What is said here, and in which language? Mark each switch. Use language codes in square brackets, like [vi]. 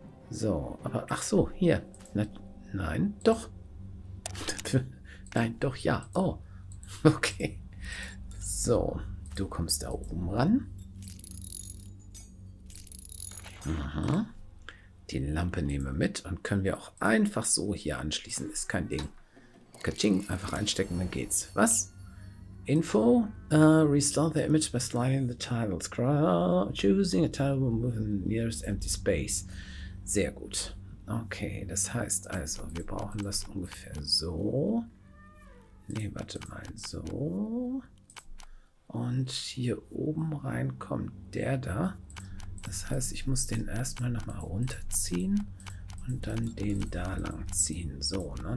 [de] So, aber ach so, hier. Na, nein, doch. Nein, doch, ja. Oh, okay. So, du kommst da oben ran. Aha. Die Lampe nehmen wir mit und können wir auch einfach so hier anschließen. Ist kein Ding. Kaching, einfach einstecken, dann geht's. Was? [en] Info, restore the image by sliding the tile. Choosing a tile will move in the nearest empty space. [de] Sehr gut. Okay, das heißt also, wir brauchen das ungefähr so. Ne, warte mal, so. Und hier oben rein kommt der da. Das heißt, ich muss den erstmal nochmal runterziehen. Und dann den da lang ziehen. So, ne?